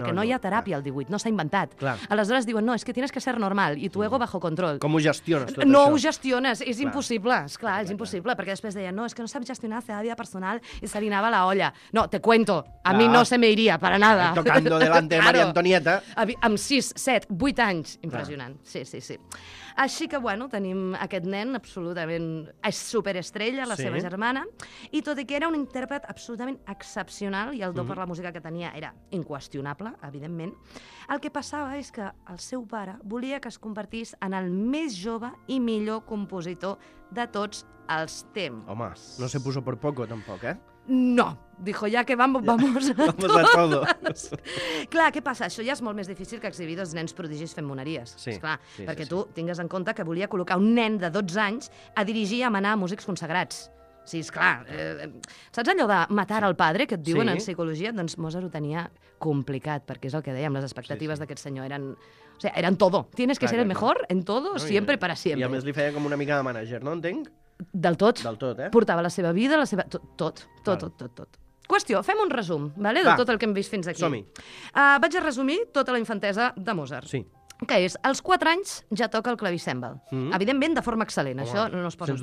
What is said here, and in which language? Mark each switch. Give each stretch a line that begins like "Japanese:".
Catalan: Que no hi ha teràpia al 18, no s'ha inventat. Clar. Aleshores diuen, no, és que
Spanish: tienes que ser normal
Catalan: i
Spanish: tu ego bajo control.
Catalan: Com ho gestiones tot això? No ho gestiones, és impossible, és clar, impossible. Perquè després deien, no, és que no saps gestionar la seva vida personal i se li anava la olla.
Spanish: No, te cuento, a mi no se me iria, para nada. Tocando delante de Maria Antonieta.
Catalan: Amb 6, 7, 8 anys, impressionant. Sí. Així que, bueno, tenim aquest nen absolutament, és super superestrella, la seva germana, i tot i que era un intèrpret absolutament excepcional i el do per la música que tenia era inqüestionable, evidentment, el que passava és que el seu pare volia que es convertís en el més jove i millor compositor de tots els temps.
Spanish: Home, no se puso por poco tampoc, eh? No, dijo, ya que vamos, vamos a todos. Vamos a todo.
Catalan: Clar, què passa? Això ja és molt més difícil que exhibir dos nens prodigis fent moneries. Sí, esclar, sí, perquè sí, tu tingues en compte que volia col·locar un nen de 12 anys a dirigir i a manar músics consagrats. Sí, esclar. Saps allò de matar el padre, que et diuen en psicologia? Doncs Mozart ho tenia complicat, perquè és el que dèiem, les expectatives d'aquest senyor eren...
Spanish: O sea, eran todo. Tienes que ser el mejor en todo, siempre, para siempre.
Catalan: I a més li feia com una mica de manager, no entenc? Del tot. Del tot, eh? Portava la seva vida, la seva... Tot. Qüestió, fem un resum, vale? De tot el que hem vist fins aquí. Som-hi. Vaig a resumir tota la infantesa de Mozart. Sí. Que és, als 4 anys ja toca el clavicèmbal. Mm-hmm. Evidentment, de forma excel·lent, això no es posa en